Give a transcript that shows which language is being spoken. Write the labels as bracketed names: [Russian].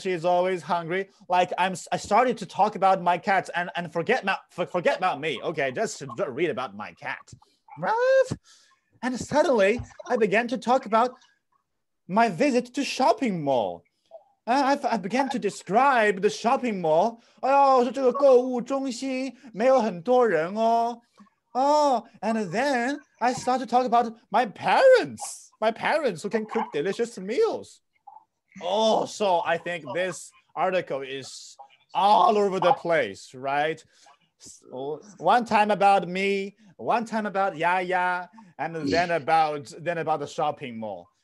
[English] She's always hungry. Like I started to talk about my cats and forget about me. Okay, just read about my cat. Right? And suddenly I began to talk about my visit to shopping mall. I began to describe the shopping mall. [Chinese] Oh, 这个购物中心, 没有很多人哦。 [English] Oh, and then I started to talk about my parents. My parents who can cook delicious meals. Oh, so I think this article is all over the place, right? So one time about me, one time about Yaya, and then about the shopping mall.